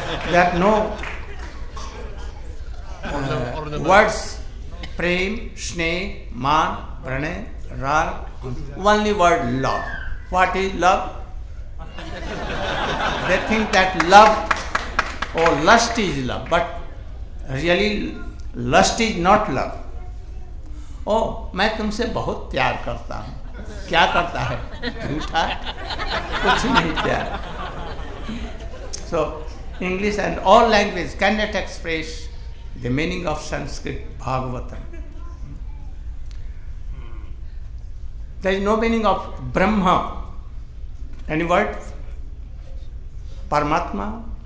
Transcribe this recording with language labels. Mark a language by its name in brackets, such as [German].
[English] that no words, prem, shneh, maan, prane, raag, only word love. What is love? They think that love or lust is love, but really lust is not love. [Hindi] Oh, मैं तुमसे बहुत प्यार करता हूँ. क्या करता है? झूठा. कुछ नहीं प्यार. [English] So English and all languages cannot express the meaning of Sanskrit Bhagavatam. There is no meaning of Brahma. Any word? Paramatma?